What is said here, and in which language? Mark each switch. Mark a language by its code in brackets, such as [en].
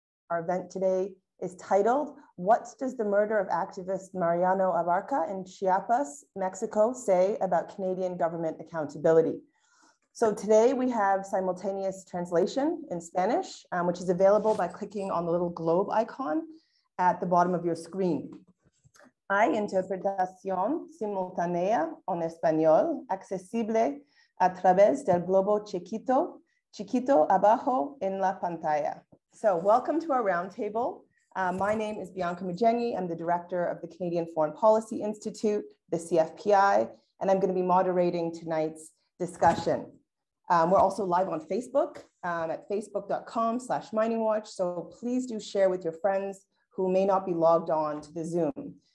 [en] Our event today is titled, What Does the Murder of Activist Mariano Abarca in Chiapas, Mexico, Say About Canadian Government Accountability? So today we have simultaneous translation in Spanish, which is available by clicking on the little globe icon at the bottom of your screen. [es] Hay interpretación simultánea en español, accesible a través del globo chiquito, chiquito abajo en la pantalla. [en] So welcome to our roundtable. My name is Bianca Mugeni. I'm the director of the Canadian Foreign Policy Institute, the CFPI, and I'm going to be moderating tonight's discussion. We're also live on Facebook at facebook.com/miningwatch. So please do share with your friends who may not be logged on to the Zoom.